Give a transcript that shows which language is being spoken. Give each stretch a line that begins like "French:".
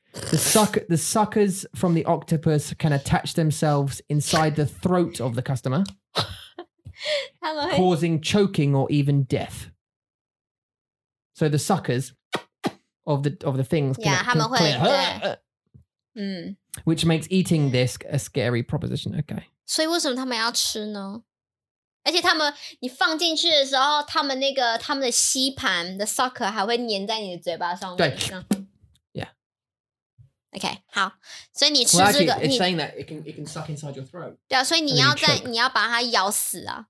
English: The suckers from the octopus can attach themselves inside the throat of the customer, causing choking or even death. So the suckers of the things can clear, which makes eating this a scary proposition. Okay.
Chinese: 所以为什么他们要吃呢？而且他们你放进去的时候，他们那个他们的吸盘的 sucker 还会粘在你的嘴巴上面。对。 OK, 好，所以你吃这个
English: it's saying that it can suck inside your throat.
Chinese: 对啊，所以你要在你要把它咬死啊。